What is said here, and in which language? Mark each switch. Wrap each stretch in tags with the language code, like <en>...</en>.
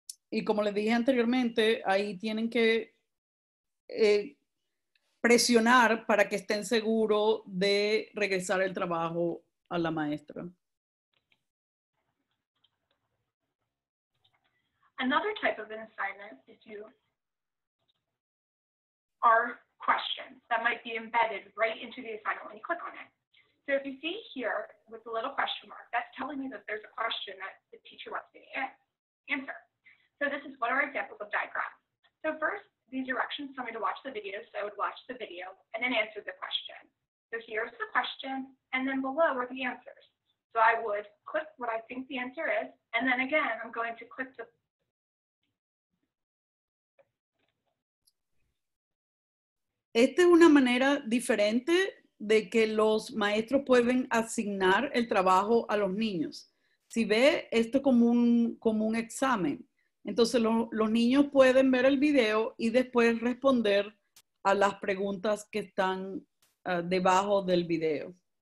<es>Y como les dije anteriormente, ahí tienen que presionar para que estén seguros de regresar el trabajo a la maestra.</es> <en>Another type of an assignment is you are questions that might be embedded right into the assignment when you click on it. So if you see here with the little question mark, that's telling me that there's a question that the teacher wants me to answer. So this is one of our examples of diagrams. So first, these directions tell me to watch the video, so I would watch the video and then answer the question. So here's the question, and then below are the answers. So I would click what I think the answer is, and then again, I'm going to click the...</en> <es>Esta es una manera diferente de que los maestros pueden asignar el trabajo a los niños. Si ve esto como un examen, entonces los niños pueden ver el video y después responder a las preguntas que están debajo del video.</es>